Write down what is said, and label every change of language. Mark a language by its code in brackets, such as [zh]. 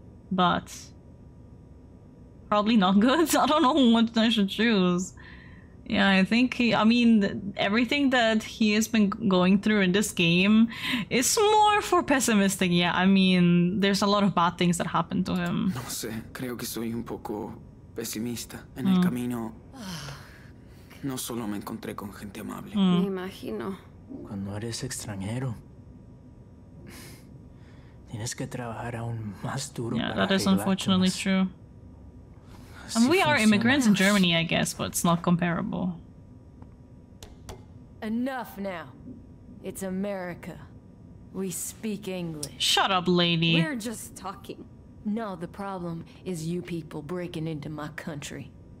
[en] But probably not good. I don't know what I should choose. Yeah, I think everything that he has been going through in this game is more for pessimistic. Yeah, I mean, there's a lot of bad things that happened to him. [es] No sé, creo que soy un poco pesimista. En el camino, no solo me encontré con gente amable. Me imagino. Cuando eres extranjero, tienes que trabajar aún más duro. [en] Yeah, that is unfortunately true. And we are immigrants in Germany, I guess, but it's not comparable. Enough now. It's America. We speak English. Shut up, lady. We're just talking. No, the problem is you people breaking into my country.